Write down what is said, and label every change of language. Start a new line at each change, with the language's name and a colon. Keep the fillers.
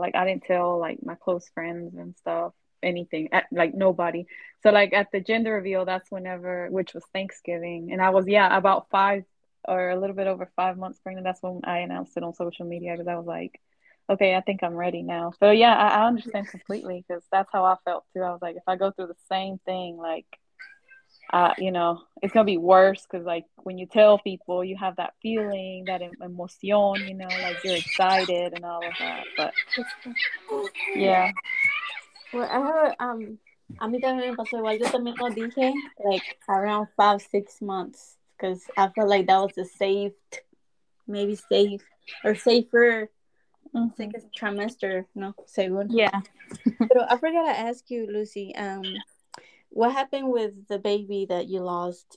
English: Like I didn't tell like my close friends and stuff anything at, like nobody so like at the gender reveal that's whenever which was thanksgiving and i was yeah about five or a little bit over five months pregnant that's when i announced it on social media because i was like okay i think i'm ready now so yeah i, I understand completely because that's how i felt too i was like if i go through the same thing like uh you know it's gonna be worse because like when you tell people you have that feeling that em emotion you know like you're excited and all of that but yeah. Well, I heard,
Spanish: um, a mí también me pasó igual. Yo también
English: like, around five, six months. Because I felt like that was a safe, maybe safe, or safer, I don't think it's trimester, no, según. Yeah. Pero I forgot to ask you, Lucy, um, what happened with the baby that you lost?